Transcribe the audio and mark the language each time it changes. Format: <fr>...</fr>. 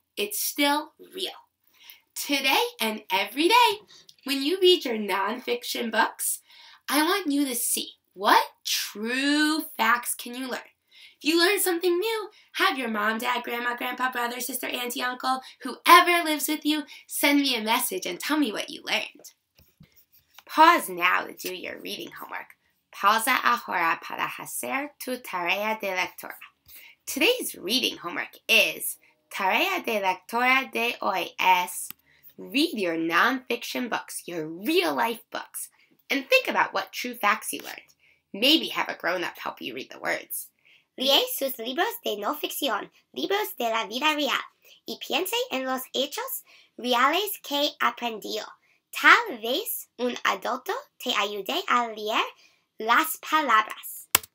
<en>It's still real. Today and every day, when you read your nonfiction books, I want you to see what true facts can you learn. If you learn something new, have your mom, dad, grandma, grandpa, brother, sister, auntie, uncle, whoever lives with you, send me a message and tell me what you learned. Pause now to do your reading homework.</en> <es>Pausa ahora para hacer tu tarea de lectura.</es> <en>Today's reading homework is</en> <es>Tarea de lectura de hoy es</es> <en>read your nonfiction books, your real life books, and think about what true facts you learned. Maybe have a grown-up help you read the words.</en> <es>Lee sus libros de no ficción, libros de la vida real, y piense en los hechos reales que aprendió. Tal vez un adulto te ayude a leer las palabras.</es>